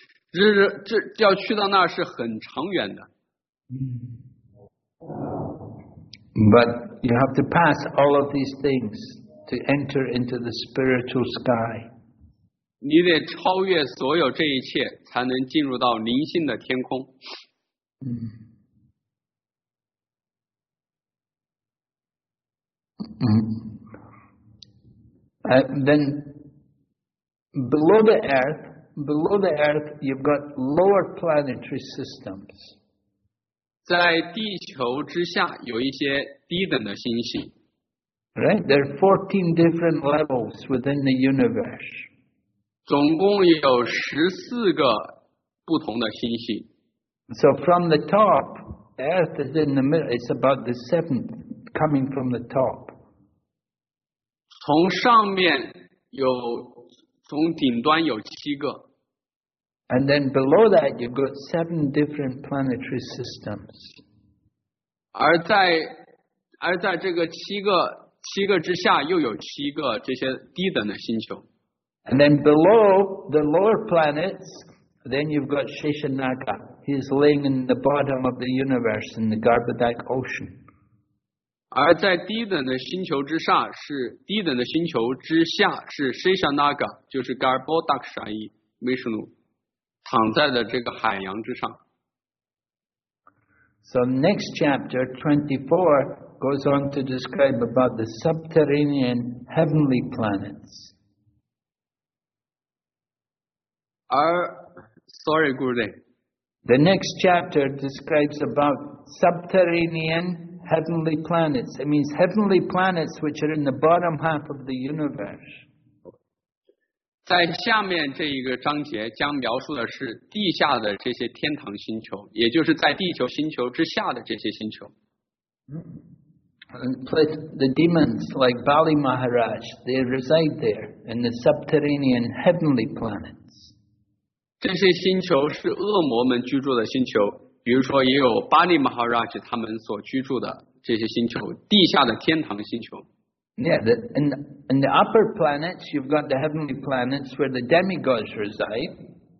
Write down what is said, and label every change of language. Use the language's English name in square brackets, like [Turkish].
[Chinese] 这要去到那是很长远的。 [English] But you have to pass all of these things to enter into the spiritual sky. [Chinese] 你得超越所有这一切才能进入到灵性的天空。 [English] Then below the earth, you've got lower planetary systems. [Chinese] 在地球之下有一些低等的星系。 [English] Right, there are 14 different levels within the universe. [Chinese] 总共有十四个不同的星系。 [English] So from the top, Earth is in the middle. It's about the seventh coming from the top. [Chinese] 从上面有，从顶端有七个。 [English] And then below that, you've got seven different planetary systems. [Chinese] 而在这个七个之下，又有七个这些低等的星球。 [English] And then below the lower planets, then you've got Sheshanaga. He's laying in the bottom of the universe in the Garbhodak Ocean. [Chinese] 而在低等的星球之上是低等的星球之下是 Sheshanaga, 就是 Garbhodak Shai Vishnu, 躺在的这个海洋之上。 [English] So next chapter 24 goes on to describe about the subterranean heavenly planets. Sorry, Gurudev. The next chapter describes about subterranean heavenly planets. It means heavenly planets which are in the bottom half of the universe. [Chinese] 在下面这一个章节将描述的是地下的这些天堂星球，也就是在地球星球之下的这些星球。 [English] The demons like Bali Maharaj, they reside there in the subterranean heavenly planets. [Chinese] 这些星球是恶魔们居住的星球，比如说也有巴利马哈拉吉他们所居住的这些星球，地下的天堂星球。 [English] Yeah, in the upper planets, you've got the heavenly planets where the demigods reside.